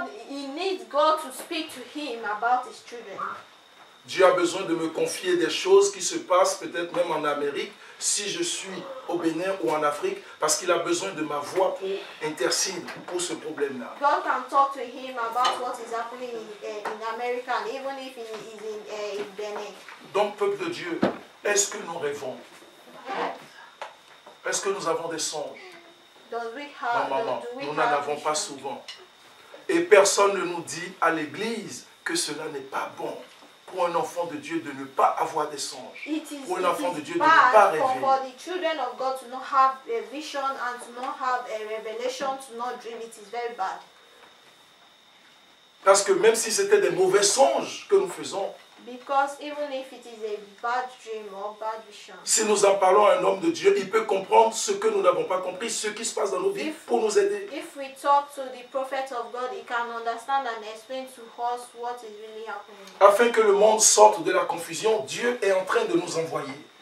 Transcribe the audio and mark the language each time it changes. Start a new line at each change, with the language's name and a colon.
English: He needs God to speak to him about his children.
French: Dieu a besoin de me confier des choses qui se passent peut-être même en Amérique, si je suis au Bénin ou en Afrique, parce qu'il a besoin de ma voix pour intercéder pour ce problème-là.
English: God can talk to him about what is happening in America, even if he is in Benin.
French: Donc, peuple de Dieu, est-ce que nous rêvons? Est-ce que nous avons des songes? Non, maman, nous n'en avons pas souvent. Et personne ne nous dit à l'église que cela n'est pas bon. Pour un enfant de Dieu de ne pas avoir des songes. Pour un enfant de Dieu de ne pas rêver.
English: For the children of God to not have a vision and to not have a revelation, to not dream, it is very bad.
French: Parce que même si c'était des mauvais songes que nous faisons,
English: because even if it is a bad dream or bad vision,
French: si nous en parlons à un homme de Dieu, il peut comprendre ce que nous n'avons pas compris, ce qui se passe dans nos vies pour nous aider.
English: If we talk to the prophet of God, he can understand and explain to us what is really happening.
French: Afin que le monde sorte de la confusion, Dieu est en train de nous envoyer.